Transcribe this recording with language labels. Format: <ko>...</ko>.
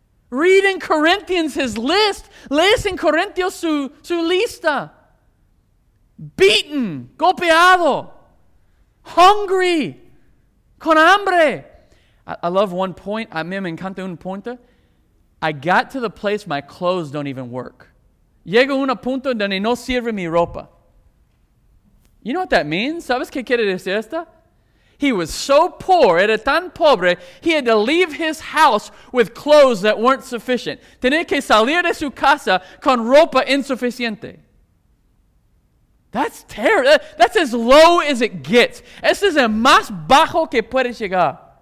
<en>Read in Corinthians his list.</en> <es>Lees en Corintios su lista.</es> <en>Beaten.</en> <es>Golpeado.</es> <en>Hungry,</en> <es>con hambre.</es> <en>I love one point.</en> <es>A mí me encanta un punto.</es> <en>I got to the place my clothes don't even work.</en> <es>Llego a un punto donde no sirve mi ropa.</es> <en>You know what that means?</en> <es>¿Sabes qué quiere decir esto?</es> <en>He was so poor,</en> <es>era tan pobre,</es> <en>he had to leave his house with clothes that weren't sufficient.</en> <es>Tenía que salir de su casa con ropa insuficiente.</es> <en>That's terrible. That's as low as it gets.</en> <es>Ese es el más bajo que puedes llegar.</es>